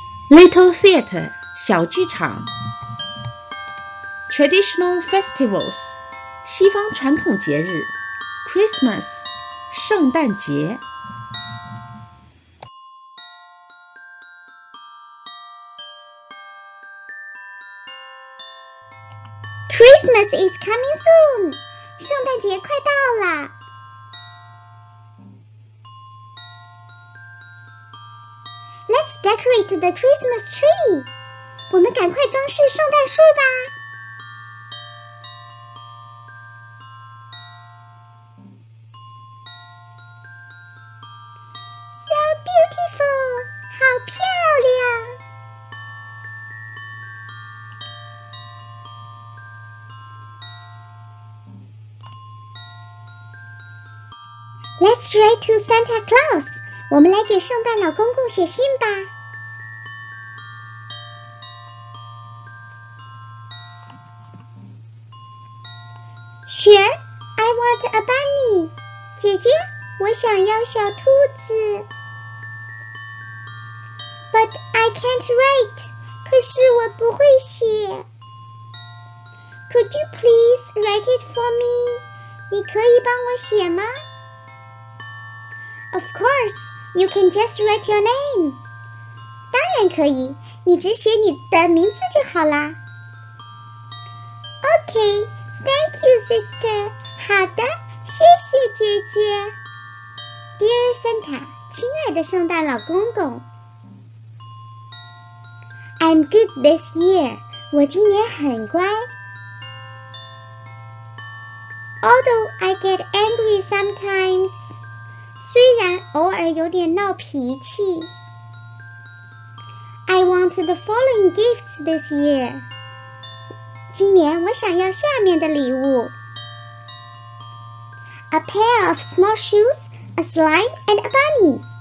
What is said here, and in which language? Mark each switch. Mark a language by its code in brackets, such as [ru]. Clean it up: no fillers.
[en] Little Theater [zh] 小剧场。 [en] Traditional festivals [zh] 西方传统节日。 [en] Christmas [zh] 圣诞节。 [en] Christmas is coming soon. [zh] 圣诞节快到了。 [en] Let's decorate the Christmas tree. [zh] 我们赶快装饰圣诞树吧。 [en] So beautiful. [zh] 好漂亮。 [en] Let's write to Santa Claus. [zh] 我们来给圣诞老公公写信吧。 [en] Here, I want a bunny. [zh] 姐姐，我想要小兔子。 [en] But I can't write. [zh] 可是我不会写。 [en] Could you please write it for me? [zh] 你可以帮我写吗？ [en] Of course, you can just write your name. [zh] 当然可以，你只写你的名字就好啦。 [en] Okay, thank you, sister. [zh] 好的，谢谢姐姐。 [en] Dear Santa, [zh] 亲爱的圣诞老公公。 [en] I'm good this year. [zh] 我今年很乖。 [en] Although I get angry sometimes. [zh] 虽然偶尔有点闹脾气。 [en] I want the following gifts this year. [zh] 今年我想要下面的礼物。 [en] A pair of small shoes, a slime and a bunny.